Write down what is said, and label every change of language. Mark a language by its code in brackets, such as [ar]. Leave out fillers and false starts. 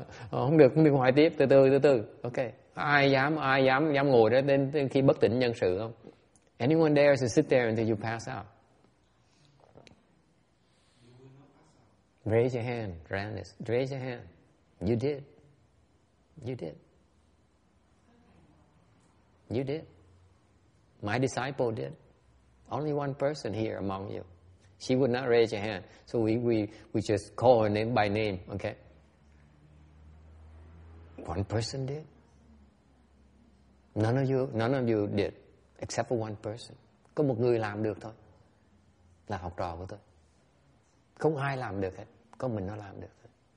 [vi] Không được, không được hoài tiếp, từ từ. Ok, ai dám ngồi đó đến khi bất tỉnh nhân sự không? [en] Anyone dares to sit there until you pass out? Raise your hand, Randis. Raise your hand. You did. My disciple did. Only one person here among you. She would not raise your hand. So we just call her name by name, okay? One person did. None of you did, except for one person. [vi] Có một người làm được thôi, là học trò của tôi. Không ai làm được hết, có mình nó làm được thôi.